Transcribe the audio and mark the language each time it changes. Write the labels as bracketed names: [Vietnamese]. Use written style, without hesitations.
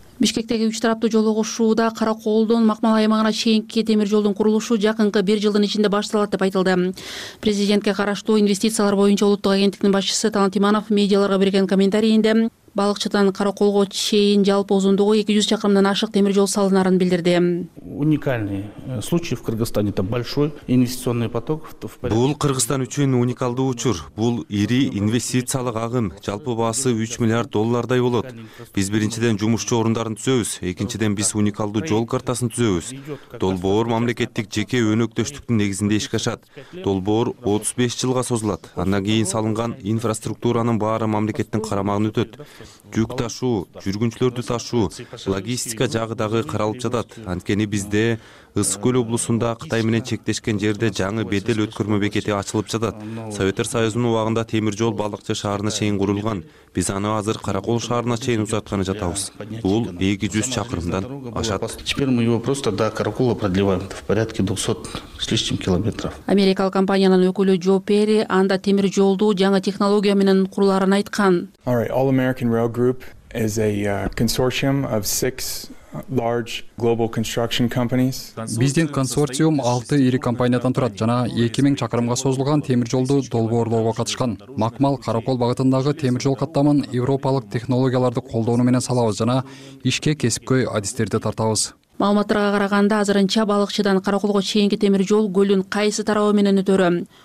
[Kyrgyz] Бишкектеги үч тараптуу жол кошууда Каракоолдон Макмал аймагына чейинки темир жолдун курулушу жакынкы бир жылдын ичинде башталат деп айтылды. Президентке караштуу инвестициялар боюнча улуттук агенттиктин башчысы Талант Иманов медиаларга берген комментарийинде Балыкчыдан Каракоолго чейин жалпы узундугу 200 чакырымдан ашык темир жол салынарын билдирди. [Russian] Уникальный случай в Кыргызстане, это большой инвестиционный поток. [Kyrgyz] Бул Кыргызстан үчүн уникалдуу учур. Бул ири инвестициялык агым, жалпы баасы 3 миллиард доллардай болот. Биз биринчиден жумушчу орундарын түзөбүз, экинчиден биз уникалдуу жол картасын түзөбүз. Долбоор мамлекеттик жеке өнөктөштүктүн негизинде иш кашат. Долбоор 35 жылга созулат. Андан кийин салынган инфраструктуранын баары мамлекеттин карамагына өтөт. Жүк ташуу, жүргүнчүлөрдү ташуу, логистика жагы дагы каралып жатат. Анткени бизде Ысык Көл облусунда Кытай менен чектешкен жерде жаңы бедел өткөрмө бекети ачылып жатат. Советтер Союзунун убагында темир жол Балыкчы шаарына чейин курулган. Биз аны азыр Каракол шаарына чейин узартканы жатабыз. Бул 200 чакырымдан ашат. [Russian] Теперь мы его просто до Каракола продлеваем. В порядке 200 с лишним километров. [Kyrgyz] Америкалык компаниянын өкүлү Джо Перри анда темир жолду жаңы технология менен куруларын айткан. [English] All right, All American Rail Group is a consortium of 6 large global construction companies. [Kyrgyz] Биздин консорциум 6 ири компаниядан турат жана 2000 чакырымга созулган темир жолду долбоорлоого катышкан. Макмал Каракол багытындагы темир жол каттамын европалык технологияларды колдонуу менен салабыз жана ишке кесипкөй адистерди тартабыз. Маалыматтарга караганда азырынча Балыкчыдан Караколго чейинки темир жол көлдүн кайсы тарабы менен өтөрү?